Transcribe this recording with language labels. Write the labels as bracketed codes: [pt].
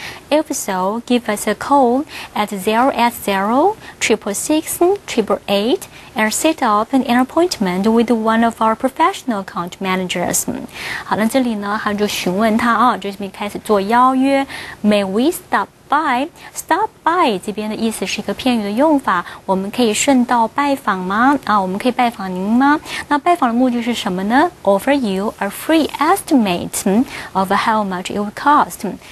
[en] If so, give us a call at 080-666-888 and set up an appointment with one of our professional account managers. [zh] 好，那这里呢，他就询问他啊，就是开始做邀约。 [en] May we stop by? [zh] Stop by 这边的意思是一个片语的用法，我们可以顺道拜访吗？啊，我们可以拜访您吗？那拜访的目的是什么呢？ [en] Offer you a free estimate of how much it would cost.